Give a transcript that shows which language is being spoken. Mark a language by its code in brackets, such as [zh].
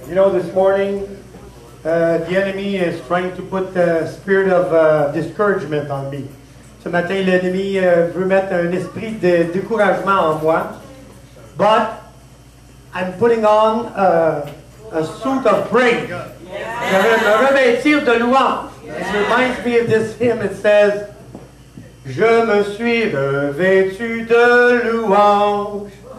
[en] You know, this morning, the enemy is trying to put the spirit of discouragement on me. [fr] Ce matin, l'ennemi veut mettre un esprit de découragement en moi. [en] But I'm putting on a suit of praise. Yeah. [fr] Un revêtir de louange. [en] Yeah. It reminds me of this hymn. It says, [fr] je me suis revêtu de louange.